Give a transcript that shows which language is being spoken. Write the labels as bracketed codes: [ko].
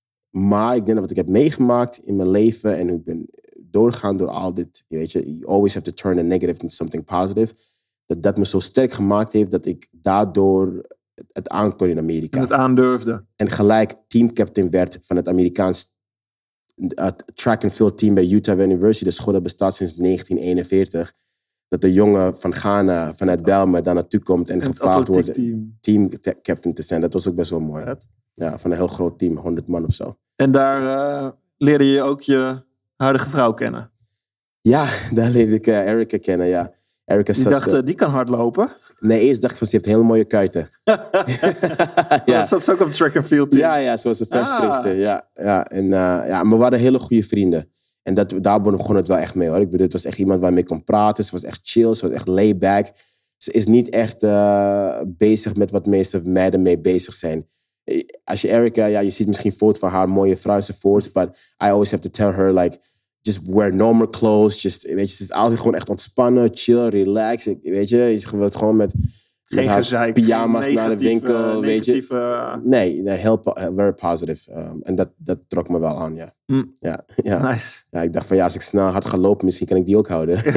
[nl] Maar ik denk dat wat ik heb meegemaakt in mijn leven... en ik ben doorgegaan door al dit... je weet je, [en] you always have to turn a negative into something positive. [nl] Dat me zo sterk gemaakt heeft dat ik daardoor... het aankon in Amerika. En het aandurfde. En gelijk teamcaptain werd van het Amerikaans track and field team bij Utah University. De school dat bestaat sinds 1941. Dat de jongen van Ghana, vanuit Belmer, daar naartoe komt en gevraagd wordt teamcaptain te zijn. Dat was ook best wel mooi. Ja, van een heel groot team, 100 man of zo. En daar leerde je ook je huidige vrouw kennen? Ja, daar leerde ik Erica kennen, ja. Erica die dacht, die kan hardlopen. Nee, eerst dacht ik van, ze heeft hele mooie kuiten. Ja. Zat ze ook op het track and field team? Ja, ze was de verspringster. Ah. Ja. En we waren hele goede vrienden. En daar begon het wel echt mee, hoor. Ik bedoel, het was echt iemand waarmee ik kon praten. Ze was echt chill, ze was echt laid back. Ze is niet echt bezig met wat meeste meiden mee bezig zijn. Als je Erica, ja, je ziet misschien foto's van haar mooie vrouw enzovoorts. [en] But I always have to tell her, like... just wear normal clothes. Just, [nl] weet je, ze is altijd gewoon echt ontspannen, chill, relax. Weet je, ze gewoon gewoon met haar gezeik, pyjama's naar de winkel. Weet je. Nee, heel [en] very positive. [nl] En dat trok me wel aan, ja. Mm. Ja, ja. Nice. Ja, ik dacht van ja, als ik snel hard ga lopen, misschien kan ik die ook houden.